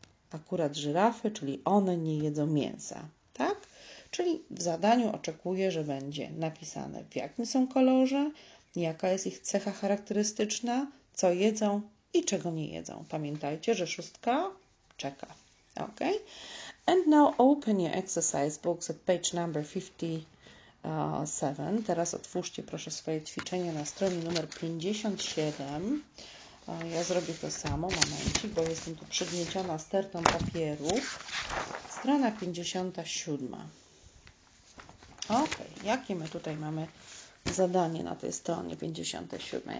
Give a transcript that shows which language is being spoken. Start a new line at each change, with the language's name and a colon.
Polish: Akurat żyrafy, czyli one nie jedzą mięsa, tak? Czyli w zadaniu oczekuję, że będzie napisane, w jakim są kolorze, jaka jest ich cecha charakterystyczna, co jedzą i czego nie jedzą. Pamiętajcie, że szóstka czeka. Ok?
English: And now open your exercise books at page number 57.
Polish: Teraz otwórzcie proszę swoje ćwiczenie na stronie numer 57. Ja zrobię to samo, momencik, bo jestem tu przygnieciona stertą papierów. Strona 57. Ok, jakie my tutaj mamy zadanie na tej stronie 57?